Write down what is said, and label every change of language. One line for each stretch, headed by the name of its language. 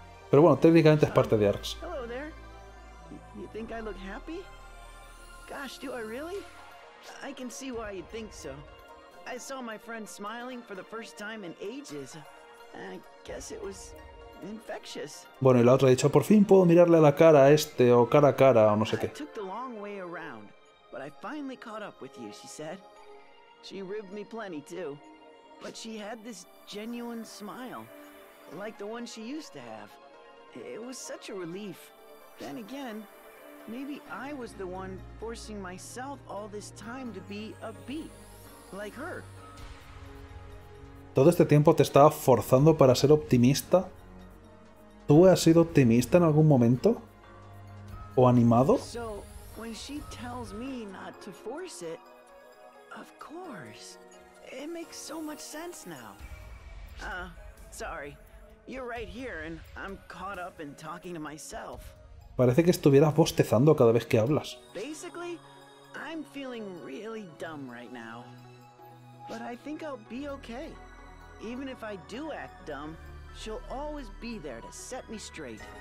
Spanish: Pero bueno, técnicamente es parte de ARX.
English: Hello there. You think I look happy? Gosh, do I really? I can see why you think so. I saw my friend smiling for the first time in ages. I guess it was infectious.
Spanish: Bueno, y la otra ha dicho, por fin puedo mirarle a la cara a este o cara a cara o no sé qué.
English: I took the long way around, but I finally caught up with you, she said. She ribbed me plenty too, but she had this genuine smile, like the one she used to have. It was such a relief. Then again, maybe I was the one forcing myself all this time to be upbeat, like her.
Spanish: ¿Todo este tiempo te estaba forzando para ser optimista? ¿Tú has sido optimista en algún momento? ¿O animado?
English: So, when she tells me not to force it, of course. It makes so much sense now. Sorry. You're right here and I'm caught up in talking to myself.
Spanish: Parece que estuvieras bostezando cada vez que hablas.
English: Basically, I'm feeling really dumb right now. But I think I'll be okay. Even if I do act dumb, she'll always be there to set me straight.